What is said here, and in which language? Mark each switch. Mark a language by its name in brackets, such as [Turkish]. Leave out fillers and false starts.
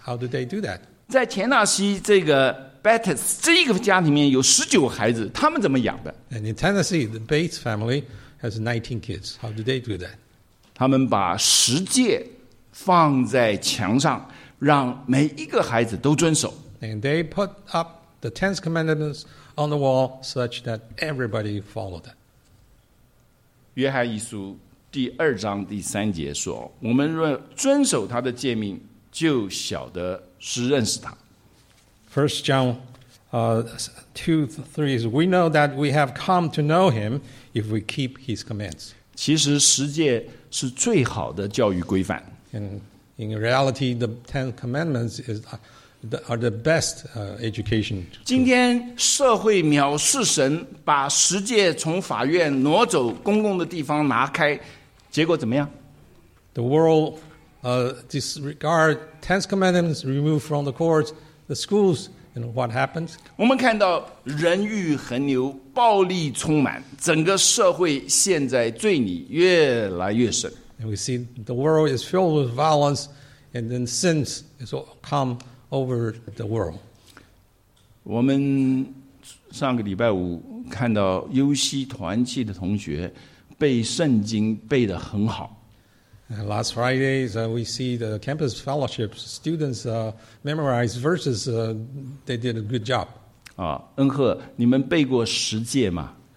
[English] How do they do that? [Chinese] 在田纳西这个 Bates 这个家里面有19个孩子，他们怎么养的 [English] ？And in Tennessee, the Bates family has 19 kids. How do they do that? [Chinese] 他们把十诫放在墙上，让每一个孩子都遵守。 [English] And they put up the Ten Commandments. On the wall, such that everybody followed that. [Chinese] 约翰一书第二章第三节说：“我们若遵守他的诫命，就晓得是认识他。” [English] First John, 2:3 is we know that we have come to know him if we keep his commands. [Chinese] 其实十诫是最好的教育规范。 [English] And in reality, the Ten Commandments is. Are the best education. [Chinese] 今天社会藐视神，把十诫从法院挪走公共的地方拿开，结果怎么样 [English] ？The world disregard Ten Commandments removed from the courts, the schools, and what happens? [Chinese] 我们看到人欲横流，暴力充满，整个社会陷在罪里越来越深。 [English] And we see the world is filled with violence, And then sin is come over the world. [Chinese] 我们上个礼拜五看到优西团契的同学背圣经背得很好。 [English] Last Friday, we see the campus fellowship students memorize verses. They did a good job. [Chinese] 啊，恩赫，你们背过十诫吗？